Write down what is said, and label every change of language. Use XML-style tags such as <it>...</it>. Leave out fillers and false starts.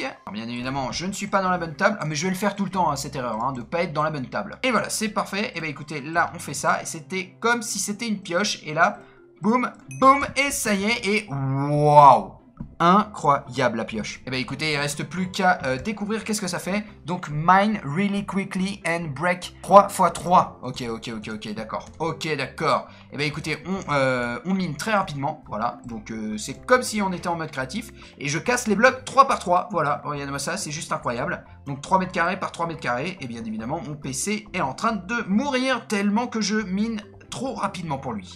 <fr>Alors, bien évidemment, je ne suis pas dans la bonne table. Ah, mais je vais le faire tout le temps, hein, cette erreur, hein, de pas être dans la bonne table. Et voilà, c'est parfait. Et bah écoutez, là, on fait ça. Et c'était comme si c'était une pioche. Et là, boum, boum, et ça y est. Et waouh! Incroyable la pioche. Et bah écoutez, il reste plus qu'à découvrir qu'est-ce que ça fait. Donc</fr> <en>mine really quickly and break 3x3.</en> <fr>Ok, d'accord. Et bah écoutez, on mine très rapidement. Voilà, donc c'est comme si on était en mode créatif. Et je casse les blocs 3x3. Voilà, regardez-moi ça, c'est juste incroyable. Donc 3 mètres carrés par 3 mètres carrés. Et bien évidemment, mon PC est en train de mourir tellement que je mine trop rapidement pour lui.</fr>